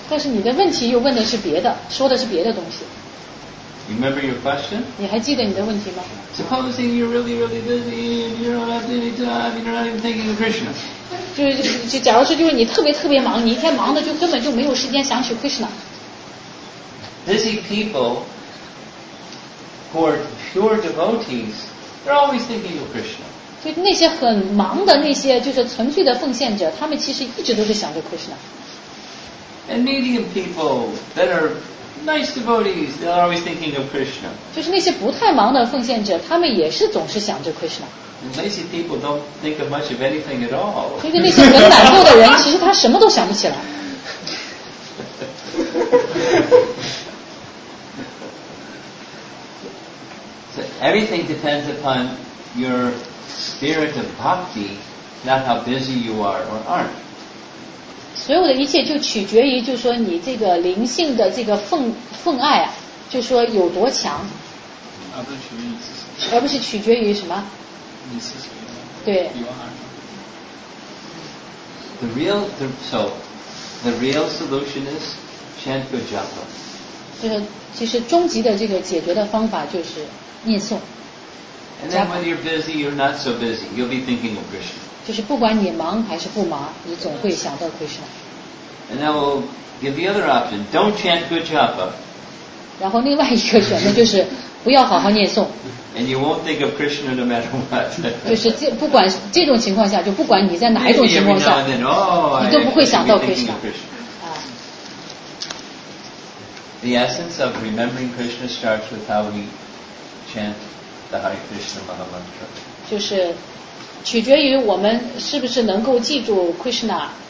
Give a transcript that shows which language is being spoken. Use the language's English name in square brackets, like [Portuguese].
[Chinese] 但是你的问题又问的是别的，说的是别的东西。 [English] You remember your question? [Chinese] 你还记得你的问题吗？ [English] Supposing you're really, really busy, and you don't have any time, you're not even thinking of Krishna. [Chinese] 就假如说就是你特别特别忙，你一天忙的就根本就没有时间想起 Krishna. [English] Busy people who are pure devotees, they're always thinking of Krishna. [Chinese] 就那些很忙的那些就是纯粹的奉献者，他们其实一直都是想着 Krishna. [English] And medium people that are nice devotees, they're always thinking of Krishna. [Chinese] 就是那些不太忙的奉献者，他们也是总是想着 Krishna. [English] Lazy people don't think of much of anything at all. [Chinese] 就是那些很懒惰的人，其实他什么都想不起来。 [English] So everything depends upon your spirit of bhakti, not how busy you are or aren't. [Chinese] 所有的一切就取决于，就是说你这个灵性的这个奉爱啊，就说有多强，而不是取决于你是谁，而不是取决于什么，你是谁，对。 [English] The real solution is chant your japa。 [Chinese] 就是其实终极的这个解决的方法就是念诵。 [English] And then when you're busy, you're not so busy, you'll be thinking of Krishna。 [Chinese] 就是不管你忙还是不忙，你总会想到 Krishna。 [English] And that will give the other option. Don't chant good japa. [Chinese] 然后另外一个选择就是不要好好念诵。 [English] And you won't think of Krishna no matter what. [Chinese] 就是这不管这种情况下，就不管你在哪一种情况下， [English] then, oh, [Chinese] 你都不会想到 Krishna。 Krishna. [English] The essence of remembering Krishna starts with how we chant the Hare Krishna Maha Mantra. [Chinese] 就是取决于我们是不是能够记住 Krishna。